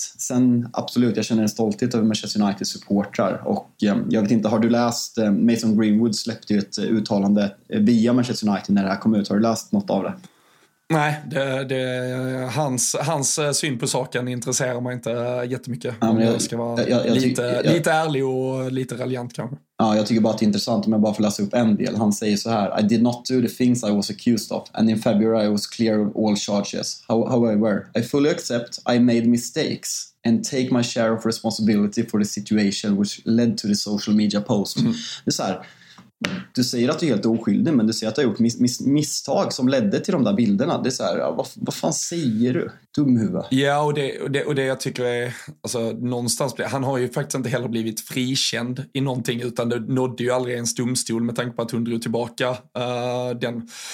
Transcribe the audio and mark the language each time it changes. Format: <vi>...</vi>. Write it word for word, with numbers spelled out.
<sv>Sen absolut, jag känner en stolthet över Manchester United supportrar, och eh, jag vet inte, har du läst eh, Mason Greenwood släppte ju ett eh, uttalande eh, via Manchester United när det här kom ut, har du läst något av det? Nej, det, det, hans, hans syn på saken intresserar mig inte jättemycket. Ja, men jag, jag ska vara jag, jag, jag, lite, jag, lite ärlig och lite raljant kanske. Ja, jag tycker bara att det är intressant om jag bara får läsa upp en del. Han säger så här:</sv> <en>I did not do the things I was accused of, and in February I was clear of all charges. However, I fully accept I made mistakes and take my share of responsibility for the situation which led to the social media post. Mm.</en> <sv>Det är så här: du säger att du är helt oskyldig, men du säger att du har gjort mis- mis- misstag som ledde till de där bilderna. Det är så här, ja, vad, vad fan säger du? Dumhuvud. Ja, och det, och, det, och det jag tycker är, alltså, någonstans, han har ju faktiskt inte heller blivit frikänd i någonting, utan det nådde ju aldrig ens domstol med tanke på att hon drog tillbaka uh, den...</sv>